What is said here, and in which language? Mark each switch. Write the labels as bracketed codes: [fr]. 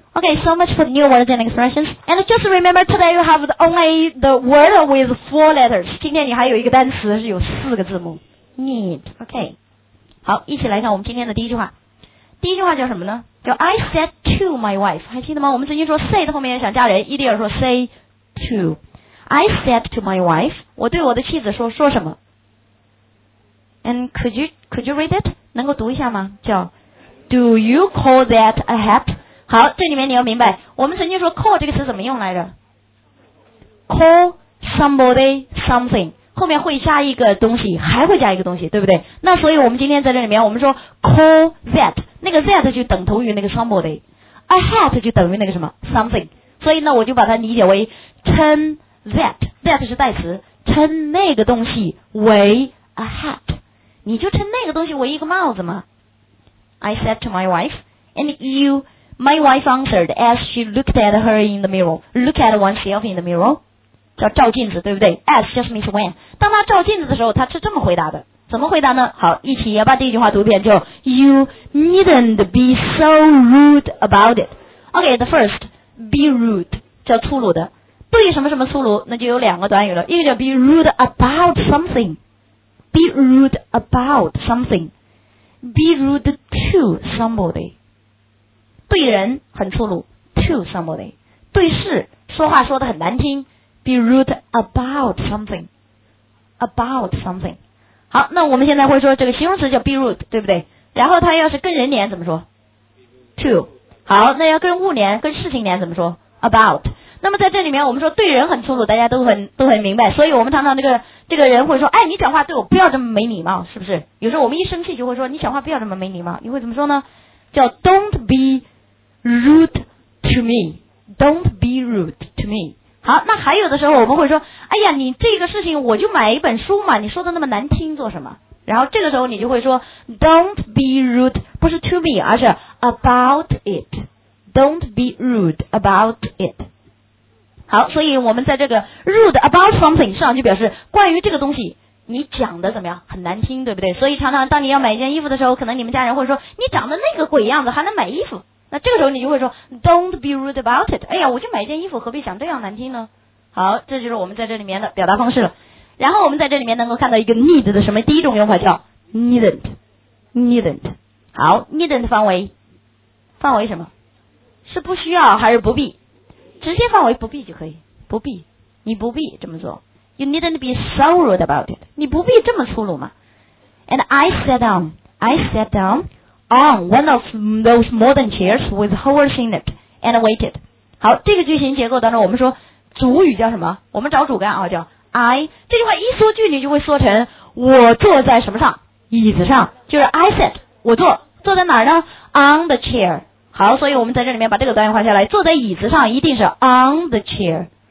[en] Okay, so much for new words and expressions. And just remember, today you have only the word with four letters. [zh] 今天你还有一个单词是有四个字母。 [en] Need. Okay. [zh] 好，一起来看我们今天的第一句话。第一句话叫什么呢？叫 [en] I said to my wife. [zh] 还记得吗？我们曾经说 say 的后面要想加人，一定要说 say to. [en] I said to my wife. [zh] 我对我的妻子说，说什么？ [en] And could you read it? [zh] 能够读一下吗？ [en] 叫 Do you call that a hat? [zh] 好，这里面你要明白，我们曾经说 call 这个词怎么用来着？ [en] call somebody something， [zh] 后面会加一个东西，还会加一个东西，对不对？那所以我们今天在这里面，我们说 [en] call that， [zh] 那个 that 就等同于那个 somebody， a hat 就等于那个什么 something， 所以呢，我就把它理解为称 that 是代词，称那个东西为 a hat， 你就称那个东西为一个帽子嘛。 [en] I said to my wife and youMy wife answered as she looked at her in the mirror. Look at oneself in the mirror. [zh] 叫照镜子，对不对？ [en] As just means when. [zh] 当她照镜子的时候，她是这么回答的。怎么回答呢？好，一起也把第一句话读一遍，就 [en] You needn't be so rude about it. Okay, the first, be rude, [zh] 叫粗鲁的。对什么什么粗鲁，那就有两个短语了。一个叫 [en] be rude about something. Be rude about something. Be rude to somebody. [zh] 对人很粗鲁 [en] to somebody， [zh] 对事说话说得很难听 [en] be rude about something。 [zh] 好，那我们现在会说这个形容词叫 [en] be rude， [zh] 对不对？然后它要是跟人连怎么说？ [en] to。 [zh] 好，那要跟物连，跟事情连怎么说？ [en] about。 [zh] 那么在这里面我们说对人很粗鲁，大家都很明白，所以我们常常这个人会说，哎，你讲话对我不要这么没礼貌，是不是？有时候我们一生气就会说你讲话不要这么没礼貌，你会怎么说呢？叫 [en] don't be rude to me， don't be rude to me。 [zh] 好，那还有的时候我们会说，哎呀，你这个事情我就买一本书嘛，你说的那么难听做什么？然后这个时候你就会说 [en] don't be rude， [zh] 不是 [en] to me， [zh] 而是 [en] about it， don't be rude about it。 [zh] 好，所以我们在这个 rude about something 上就表示关于这个东西你讲的怎么样，很难听，对不对？所以常常当你要买一件衣服的时候，可能你们家人会说你长得那个鬼样子还能买衣服，那这个时候你就会说 [en] don't be rude about it， [zh] 哎呀，我就买一件衣服何必想这样难听呢。好，这就是我们在这里面的表达方式了。然后我们在这里面能够看到一个 need 的什么，第一种用法叫 needn't。 好， needn't 范围什么？是不需要还是不必？直接范围不必就可以，不必，你不必这么做。 [en] You needn't be so rude about it. [zh] 你不必这么粗鲁嘛。 [en] And I sat down on one of those modern chairs with holes in it and waited. [zh] 好，这个句型结构当中我们说主语叫什么？我们找主干啊，叫 I。这句话一缩句你就会缩成我坐在什么上？椅子上，就是 [en] I sat， [zh] 我坐。坐在哪儿呢？ [en] On the chair。 [zh] 好，所以我们在这里面把这个短语画下来，坐在椅子上一定是 [en] on the chair。